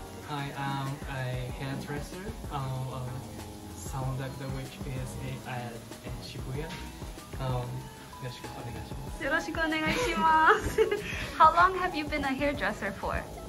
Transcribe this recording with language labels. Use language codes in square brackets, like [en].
[en] Hi, I'm a hairdresser of Salon Dakota, which is in Shibuya. [ja] よろしくお願いします。よろしくお願いします。 [en] How long have you been a hairdresser for?